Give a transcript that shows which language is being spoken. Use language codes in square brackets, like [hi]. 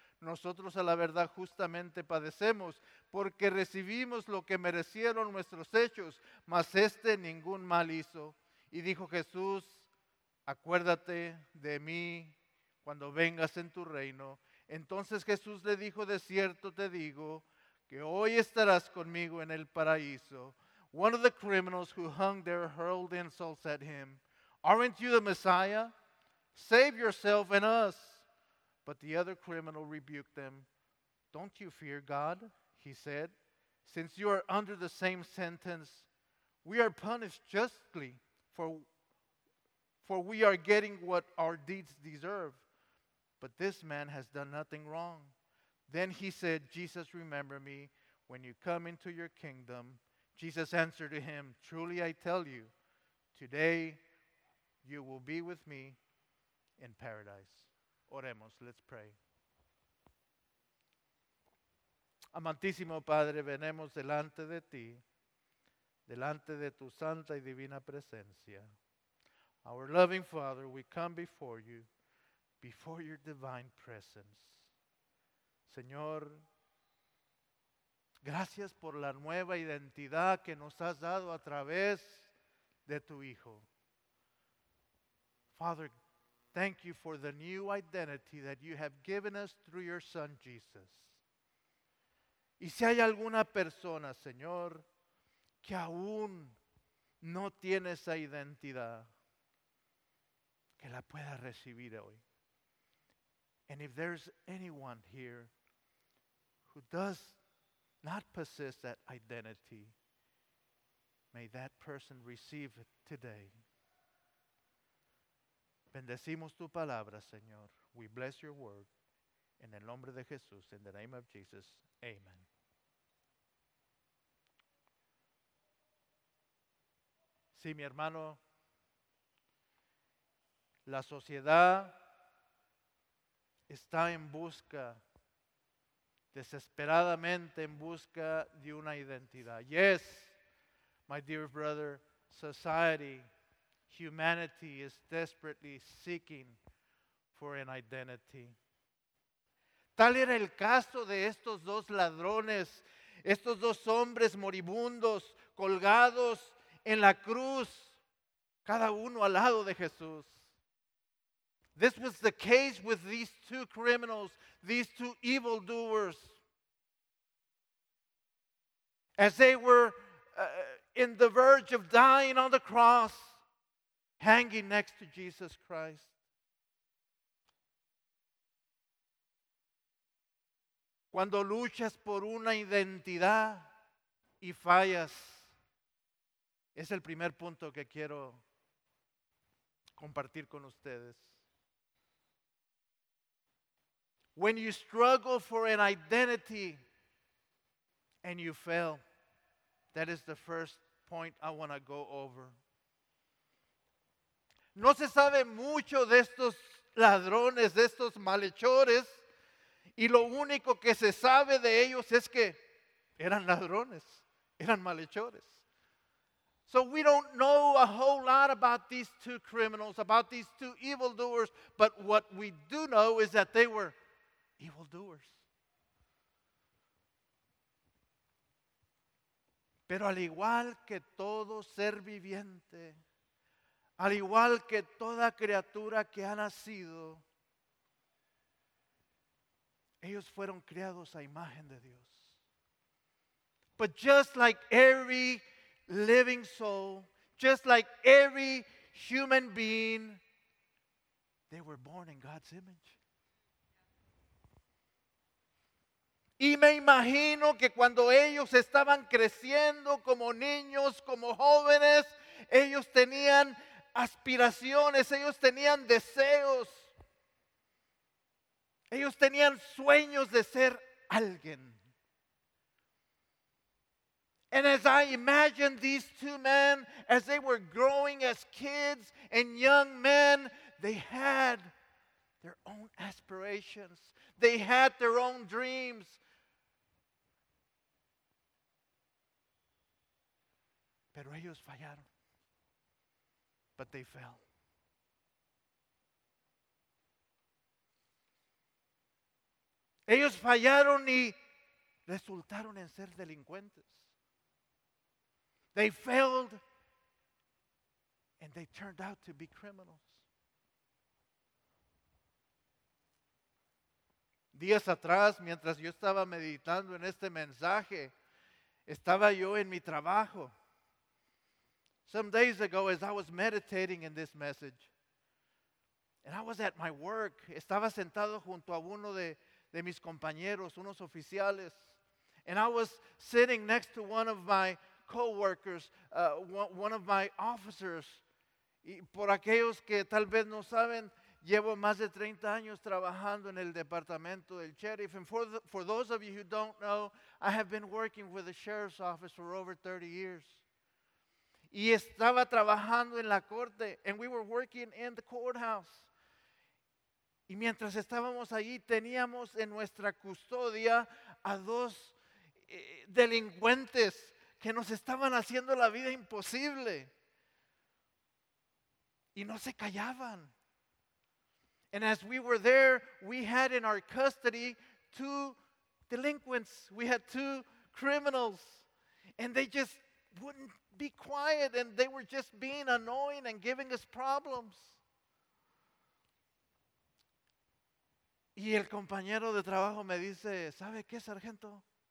[es] Nosotros a la verdad justamente padecemos, porque recibimos lo que merecieron nuestros hechos, mas este ningún mal hizo. Y dijo Jesús, acuérdate de mí cuando vengas en tu reino. Entonces Jesús le dijo, de cierto te digo, que hoy estarás conmigo en el paraíso. [en] One of the criminals who hung there hurled insults at him. Aren't you the Messiah? Save yourself and us. But the other criminal rebuked them. Don't you fear God? He said. Since you are under the same sentence, we are punished justly, for we are getting what our deeds deserve. But this man has done nothing wrong. Then he said, Jesus, remember me when you come into your kingdom. Jesus answered to him, truly I tell you, today you will be with me in paradise. [es] Oremos, [en] let's pray. [es] Amantísimo Padre, venemos delante de ti, delante de tu santa y divina presencia. [en] Our loving Father, we come before your divine presence. [es] Señor, gracias por la nueva identidad que nos has dado a través de tu Hijo. [en] Father, thank you for the new identity that you have given us through your Son, Jesus. [es] Y si hay alguna persona, Señor, que aún no tiene esa identidad, que la pueda recibir hoy. [en] And if there's anyone here who does not possess that identity, may that person receive it today. [es] Bendecimos tu palabra, Señor. [en] We bless your word. [es] En el nombre de Jesús, [en] in the name of Jesus, amen. [es] Sí, mi hermano, la sociedad está en busca, desesperadamente en busca de una identidad. [en] Yes, my dear brother, society, humanity is desperately seeking for an identity. [es] Tal era el caso de estos dos ladrones, estos dos hombres moribundos colgados en la cruz, cada uno al lado de Jesús. [en] This was the case with these two criminals, these two evildoers. As they were in the verge of dying on the cross, hanging next to Jesus Christ. [es] Cuando luchas por una identidad y fallas, es el primer punto que quiero compartir con ustedes. [en] When you struggle for an identity and you fail, that is the first point I want to go over. [es] No se sabe mucho de estos ladrones, de estos malhechores, y lo único que se sabe de ellos es que eran ladrones, eran malhechores. [en] So we don't know a whole lot about these two criminals, about these two evildoers, but what we do know is that they were evildoers. [es] Pero al igual que todo ser viviente, al igual que toda criatura que ha nacido, ellos fueron criados a imagen de Dios. [en] But just like every living soul, just like every human being, they were born in God's image. [es] Y me imagino que cuando ellos estaban creciendo como niños, como jóvenes, ellos tenían aspiraciones, ellos tenían deseos. Ellos tenían sueños de ser alguien. [en] And as I imagine these two men, as they were growing as kids and young men, they had their own aspirations. They had their own dreams. [es] Pero ellos fallaron. [en] But they fell. [es] Ellos fallaron y resultaron en ser delincuentes. [en] They failed and they turned out to be criminals. [es] Días atrás, mientras yo estaba meditando en este mensaje, estaba yo en mi trabajo. [en] Some days ago, as I was meditating in this message, and I was at my work, [es] estaba sentado junto a uno de mis compañeros, unos oficiales, [en] and I was sitting next to one of my co-workers, one of my officers. [es] Y por aquellos que tal vez no saben, llevo más de 30 años trabajando en el departamento del sheriff. [en] And for those of you who don't know, I have been working with the sheriff's office for over 30 years. [es] Y estaba trabajando en la corte, [en] and we were working in the courthouse. [es] Y mientras estábamos allí, teníamos en nuestra custodia a dos delincuentes que nos estaban haciendo la vida imposible. Y no se callaban. [en] And as we were there, we had in our custody two delinquents. We had two criminals. And they just wouldn't be quiet. And they were just being annoying and giving us problems. [es] Y el compañero de trabajo me dice, ¿sabe qué, sargento?